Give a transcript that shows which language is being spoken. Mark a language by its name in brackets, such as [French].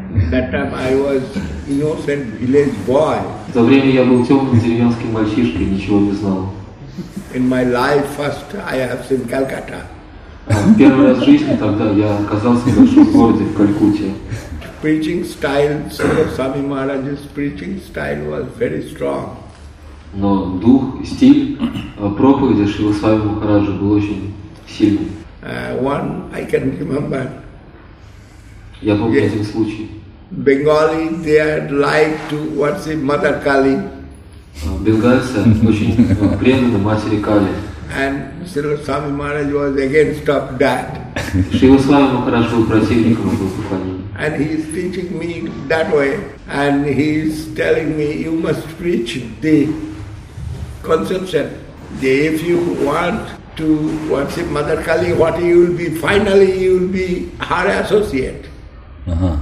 [English] That time I was innocent village boy. [Russian] В то время я был темным деревенским мальчишкой, ничего не знал. [English] In my life, first I have seen Calcutta. [Russian] Первый раз в жизни тогда я оказался в большом городе, в Калькутте. [English] Preaching style, Swami Maharaj's preaching style was very strong. [Russian] Но дух, стиль проповеди Шрила Свами Махараджа был очень сильный. [English] One I can remember. [Russian] Я помню один случай. [English] Bengali, they like to worship Mother Kali. [Russian] Бенгальцы очень преданы матери Кали. [English] And Srila Swami Maharaj was against of that. [Russian] Шрила Свами Махарадж был противником этого поклонения. [English] And he is teaching me that way, and he is telling me you must preach the conception. If you want to worship Mother Kali, what you will be? Finally, you will be her associate. Uh-huh.